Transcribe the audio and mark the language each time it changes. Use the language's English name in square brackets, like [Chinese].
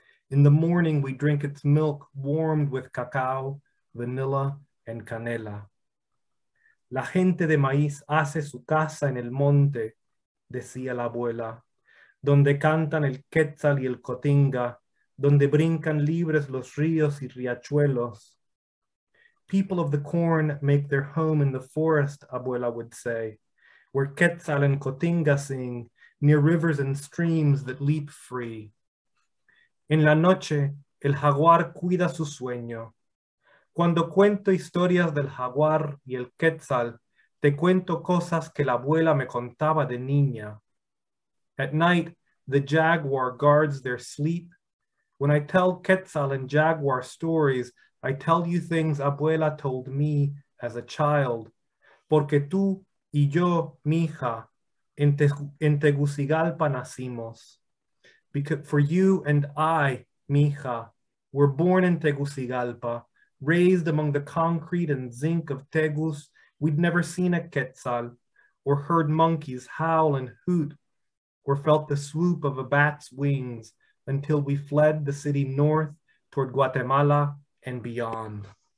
[English] In the morning, we drink its milk warmed with cacao, vanilla, and canela. [Spanish] La gente de maíz hace su casa en el monte, decía la abuela, donde cantan el quetzal y el cotinga, donde brincan libres los ríos y riachuelos. [English] People of the corn make their home in the forest, abuela would say, where quetzal and cotinga sing, near rivers and streams that leap free. [Spanish] En la noche, el jaguar cuida su sueño. Cuando cuento historias del jaguar y el quetzal, te cuento cosas que la abuela me contaba de niña. [English] At night, the jaguar guards their sleep. When I tell quetzal and jaguar stories, I tell you things abuela told me as a child. [Spanish] Porque tú y yo, mija, en Tegucigalpa nacimos. [English] Because for you and I, mija, were born in Tegucigalpa, raised among the concrete and zinc of Tegus, we'd never seen a quetzal, or heard monkeys howl and hoot, or felt the swoop of a bat's wings until we fled the city north toward Guatemala and beyond.